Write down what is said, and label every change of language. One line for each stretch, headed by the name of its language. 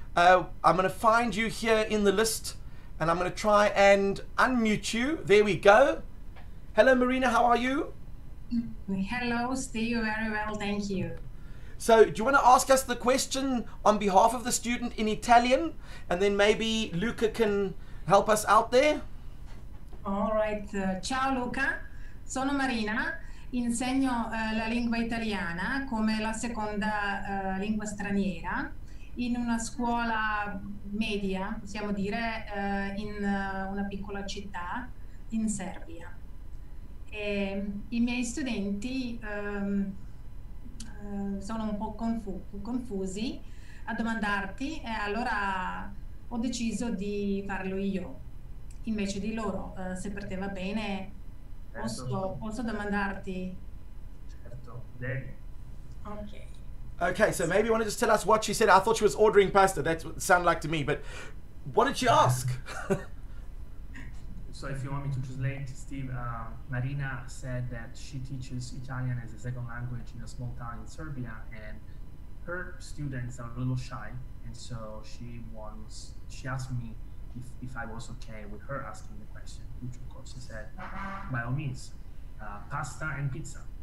English: I'm going to find you here in the list, and I'm going to try and unmute you. There we go. Hello, Marina. How are you? Hello. Stay very well. Thank you. So do you want to ask us the question on behalf of the student in Italian, and then maybe Luca can help us out there? All right.
Italian: Ciao Luca, sono Marina, insegno la lingua italiana come la seconda lingua straniera in una scuola media, possiamo dire, in una piccola città in Serbia. E i miei studenti sono un po' confusi a domandarti, e allora ho deciso di farlo io invece di loro, se per te va bene, posso domandarti? Certo, devi.
English: Ok. Okay, so maybe you want to just tell us what she said. I thought she was ordering pasta. That's what it sounded like to me. But what did she ask? So if you want me to translate, Steve, Marina said that she teaches Italian as a second language in a small town in Serbia, and her students are a little shy, and so she asked me if I was okay with her asking the question, which of course I said, by all means, pasta and pizza.